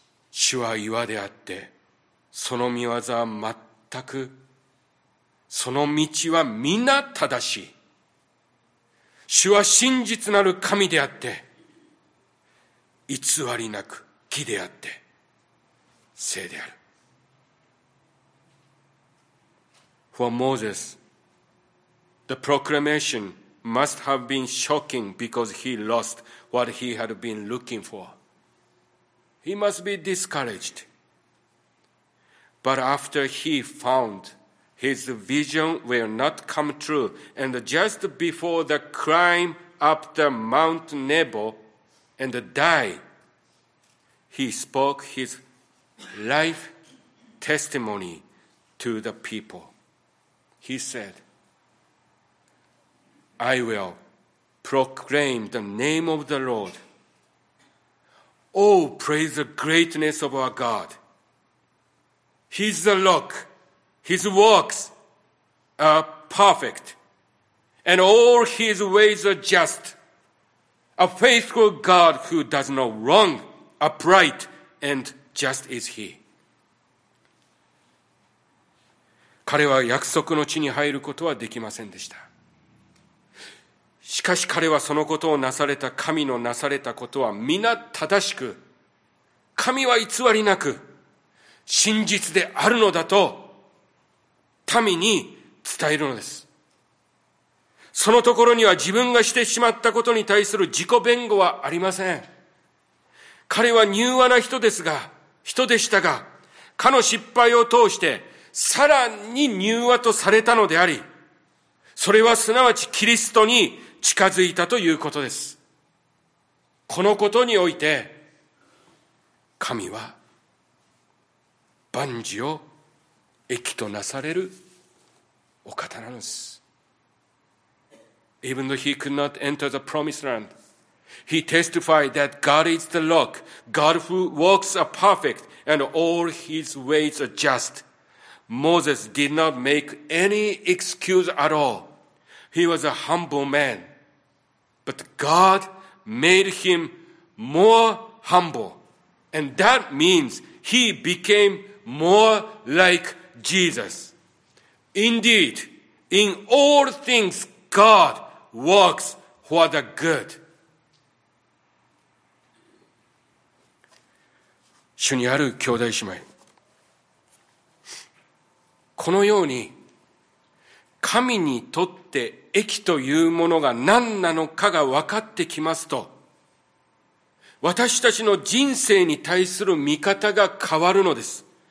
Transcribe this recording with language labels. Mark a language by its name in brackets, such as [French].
[Japanese] 主は岩であって、その御業は全く、その道は皆正しい。主は真実なる神であって、偽りなく義であって聖である。 [English] For Moses, the proclamation must have been shocking because he lost what he had been looking for. He must be discouraged. But after he found his vision will not come true, and just before the climb up the Mount Nebo and die, he spoke his life testimony to the people. He said, I will proclaim the name of the Lord. Oh, praise the greatness of our God. He's the rock. His works are perfect. And all his ways are just. A faithful God who does no wrong, upright and just is he. [Japanese] 彼は約束の地に入ることはできませんでした。しかし彼はそのことをなされた、神のなされたことは皆正しく、神は偽りなく真実であるのだと民に伝えるのです。そのところには自分がしてしまったことに対する自己弁護はありません。彼は柔和な人でしたが、彼の失敗を通してさらに柔和とされたのであり、それはすなわちキリストに近づいたということです。このことにおいて、神は万事を益となされるお方なのです。 [English] Even though he could not enter the promised land, he testified that God is the rock, God who works are perfect, and all his ways are just. Moses did not make any excuse at all. He was a humble man. But God made him more humble. And that means he became more like Jesus. Indeed, in all things God works for the good. [Japanese] 主にある兄弟姉妹、このように神にとって益というものが何なのかが分かってきますと、私たちの人生に対する見方が変わるのです。